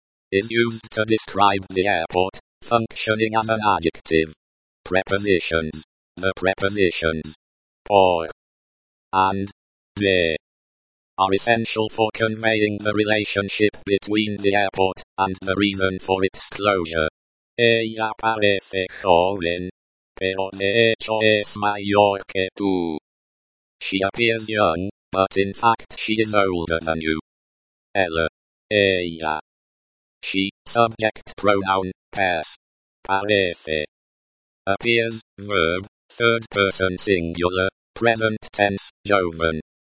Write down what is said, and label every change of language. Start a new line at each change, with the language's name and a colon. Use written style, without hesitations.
English: is used to describe the airport, functioning as an adjective. Prepositions. The prepositions,
Spanish: por,
English: and,
Spanish: de,
English: are essential for conveying the relationship between the airport and the reason for its closure.
Spanish: Ella parece joven, pero de hecho es mayor que tú.
English: She appears young, but in fact she is older than you.
Spanish: Ella. Ella.
English: She, subject pronoun, pers.
Spanish: Parece.
English: Appears, verb, third person singular, present tense, joven.